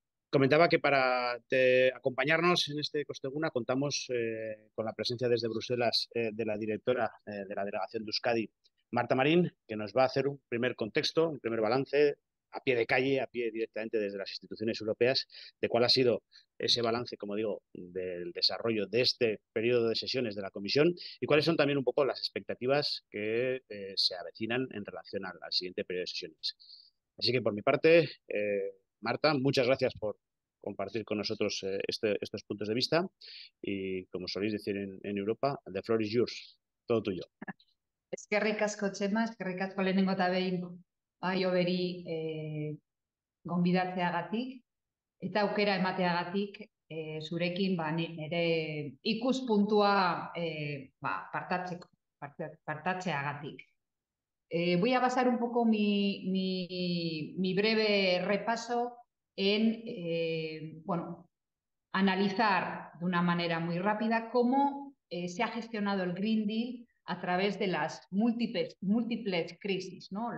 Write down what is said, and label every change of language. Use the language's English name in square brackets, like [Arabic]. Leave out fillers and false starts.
[Spanish] Comentaba que para acompañarnos en este Ekosteguna contamos con la presencia desde Bruselas de la directora de la delegación de Euskadi, Marta Marín, que nos va a hacer un primer contexto, un primer balance a pie de calle, a pie directamente desde las instituciones europeas, de cuál ha sido ese balance, como digo, del desarrollo de este periodo de sesiones de la Comisión y cuáles son también un poco las expectativas que se avecinan en relación al siguiente periodo de sesiones. Así que por mi parte, Marta, muchas gracias por compartir con nosotros estos puntos de vista y, como soléis decir en Europa, [English] the floor is yours, [Spanish] todo tuyo. [Basque] Eskerrik asko Txema, eskerrik asko lehenengo eta behin bai oberi gonbidatzeagatik eta aukera emateagatik zurekin ba, nire ikuspuntua ba, partatzeagatik. [Spanish] Voy a basar un poco mi breve repaso en bueno, analizar de una manera muy rápida cómo se ha gestionado el Green Deal a través de las múltiples crisis, ¿no?